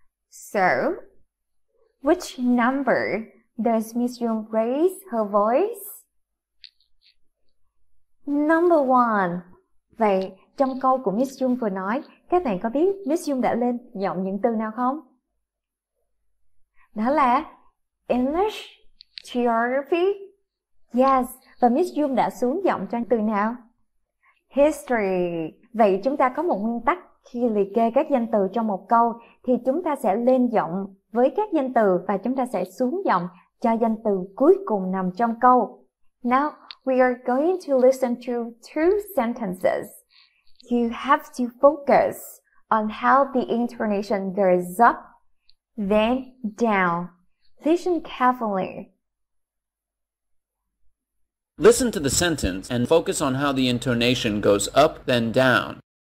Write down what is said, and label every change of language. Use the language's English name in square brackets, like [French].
[English] So, which number does Miss Yung raise her voice? Number one. [Vietnamese] Vậy trong câu của Miss Jung vừa nói, các bạn có biết Miss Jung đã lên giọng những từ nào không? Đó là English, geography. [English] Yes. [Vietnamese] Và Miss Jung đã xuống giọng cho từ nào? History. Vậy chúng ta có một nguyên tắc khi liệt kê các danh từ trong một câu thì chúng ta sẽ lên giọng với các danh từ và chúng ta sẽ xuống giọng cho danh từ cuối cùng nằm trong câu. [English] Now, we are going to listen to two sentences. You have to focus on how the intonation goes up, then down. Listen carefully. Listen to the sentence and focus on how the intonation goes up, then down.